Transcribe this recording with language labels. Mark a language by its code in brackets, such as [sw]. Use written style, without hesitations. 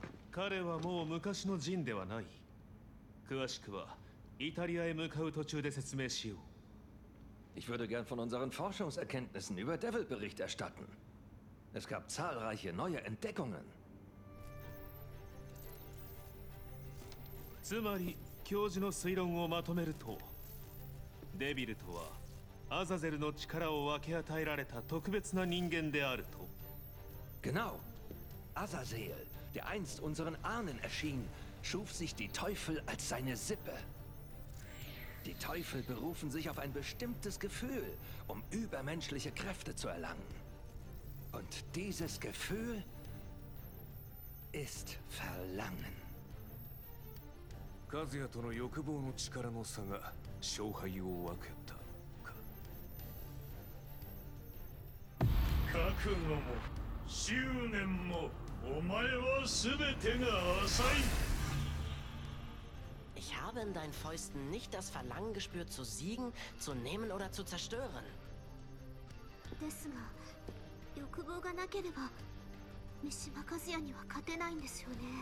[ja] 彼はもう昔のジンではない。詳しくはイタリアへ向かう途中で説明しよう。 [de] Ich würde gern von unseren Forschungserkenntnissen über Devil Bericht erstatten. Es gab zahlreiche neue Entdeckungen. [ja] つまり、教授の推論をまとめると、デビルとはアザゼルの力を分け与えられた特別な人間であると。 [de] Genau. Azazel. Der einst unseren Ahnen erschien, schuf sich die Teufel als seine Sippe. Die Teufel berufen sich auf ein bestimmtes Gefühl, um übermenschliche Kräfte zu erlangen. Und dieses Gefühl ist Verlangen. [ja] Kazuya との欲望の力の差が勝敗を分けたか。覚悟も執念も。お前は全てが浅い。 [de] Ich habe in deinen Fäusten nicht das Verlangen gespürt zu siegen, zu nehmen oder zu zerstören. [ja] ですが、欲望がなければ、三島和也には勝てないんですよね。